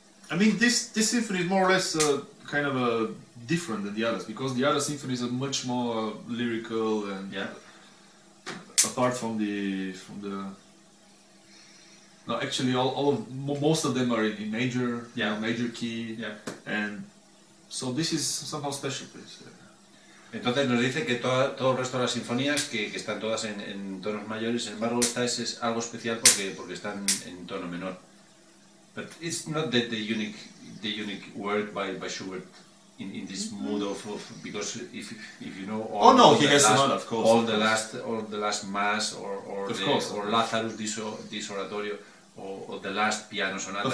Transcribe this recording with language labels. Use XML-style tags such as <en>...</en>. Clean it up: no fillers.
<en>I mean, this symphony is more or less kind of different than the others, because the other symphonies are much more lyrical and apart from the. No, actually, most of them are in major, major key, and so this is somehow special piece.</en> <es>Entonces nos dice que todo el resto de las sinfonías, que están todas en tonos mayores, sin embargo esta es algo especial porque están en tono menor.</es> <en>But it's not that the unique work by Schubert in this mood of because if you know all the last mass or Lazarus this oratorio or the last piano sonatas,</en>